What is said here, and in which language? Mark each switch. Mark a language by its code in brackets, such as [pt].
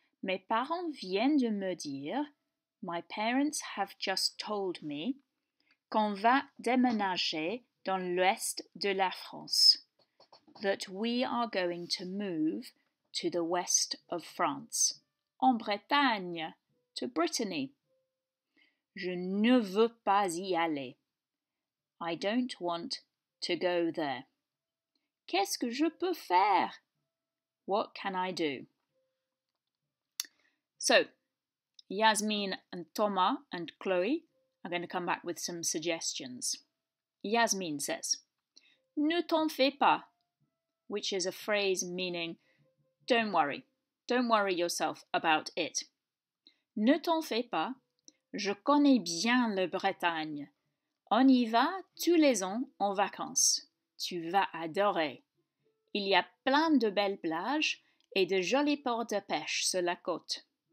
[fr] Mes parents viennent de me dire, [en] my parents have just told me, [fr] qu'on va déménager dans l'ouest de la France. [en] That we are going to move to the west of France. [fr] En Bretagne, [en] to Brittany. [fr] Je ne veux pas y aller. [en] I don't want to go there. [fr] Qu'est-ce que je peux faire? [en] What can I do? So, Yasmin and Thomas and Chloe are going to come back with some suggestions. Yasmin says, [fr] ne t'en fais pas, [en] which is a phrase meaning don't worry. Don't worry yourself about it. [fr] Ne t'en fais pas, je connais bien le Bretagne. On y va tous les ans en vacances. Tu vas adorer. Il y a plein de belles plages et de jolis ports de pêche sur la côte.